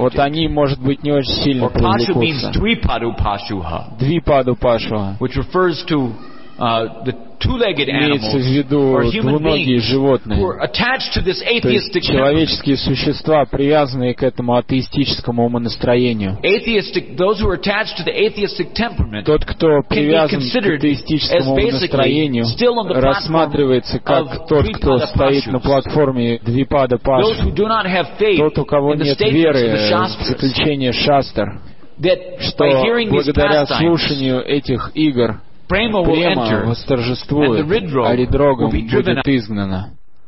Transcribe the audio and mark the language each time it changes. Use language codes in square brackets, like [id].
[ru] Вот они, может быть, не очень сильно привлекутся. [en] Or pashu means [sa] двипаду пашуха, [en] which refers to the two-legged animals, [ru] в виду [en] or human beings, [ru] животные, [en] who are attached to this atheistic. [ru] Человеческие существа, привязанные к этому атеистическому умонастроению. [en] Atheistic, those who are attached to the atheistic temperament, [ru] тот, кто привязан к атеистическому умонастроению, рассматривается как тот, кто стоит на платформе двипада пашу. Тот, у кого нет веры в заключение шастр, что благодаря слушанию этих игр Према восторжествует, а Ридрога будет изгнана.